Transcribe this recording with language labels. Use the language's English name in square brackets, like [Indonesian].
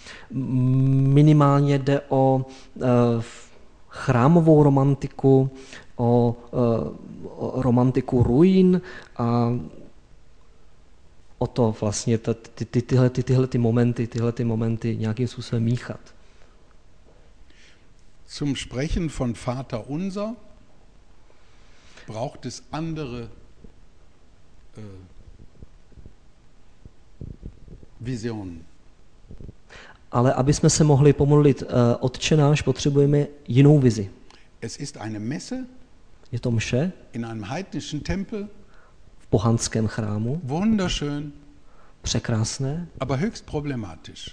[Czech] Minimálně jde o chrámovou romantiku, o romantiku ruin a o to vlastně tyhle momenty nějakým způsobem míchat. [German] Zum Sprechen von Vater unser braucht es andere vizion. [Czech] Ale aby jsme se mohli pomodlit Otče náš, potřebujeme jinou vizi. [German] Es ist eine Messe. [Czech] Je to mše. [German] In einem heidnischen Tempel. [Czech] V pohanském chrámu. [German] Wunderschön. [Czech] Překrásné. [German] Aber höchst problematisch.